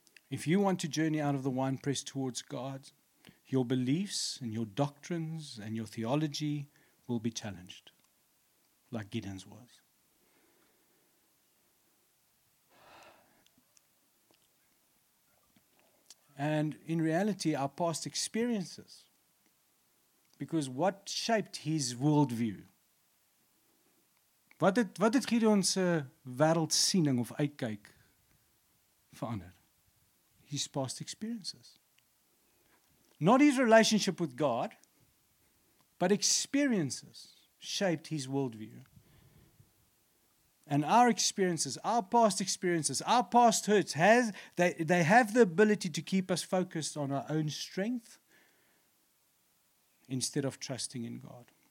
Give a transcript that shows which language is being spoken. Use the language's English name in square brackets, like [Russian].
[English] If you want to journey out of the winepress towards God, your beliefs and your doctrines and your theology will be challenged, like Gideon's was. And in reality, our past experiences, because what shaped his worldview? [Afrikaans] Wat het Gideon's wereldsiening of uitkijk veranderd? [English] His past experiences. Not his relationship with God, but experiences shaped his worldview. And our experiences, our past experiences, our past hurts, they have the ability to keep us focused on our own strength instead of trusting in God.